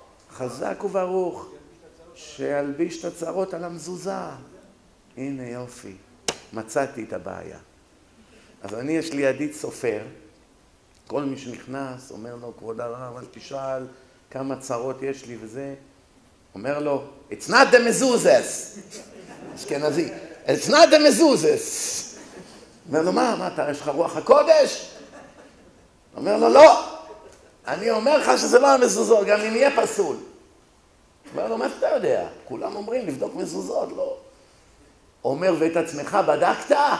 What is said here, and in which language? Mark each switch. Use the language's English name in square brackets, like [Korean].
[Hebrew] חזק וברוך, שילביש את הצרות על המזוזה. הנה יופי, מצאתי את הבעיה. אז אני, יש לי ידיד סופר, כל מי שנכנס אומר לו, כבוד הרב, אל תשאל כמה צרות יש לי וזה. אומר לו, [English] it's not the mezuzas. [Hebrew] אשכנזי, [English] it's not the mezuzas. [Hebrew] אומר לו, מה אתה, יש לך רוח הקודש? אומר לו, לא. אני אומר לך שזה לא המזוזות, גם אם יהיה פסול. אומר לו, מה אתה יודע? כולם אומרים, לבדוק מזוזות, לא. אומר, ואת עצמך בדקת?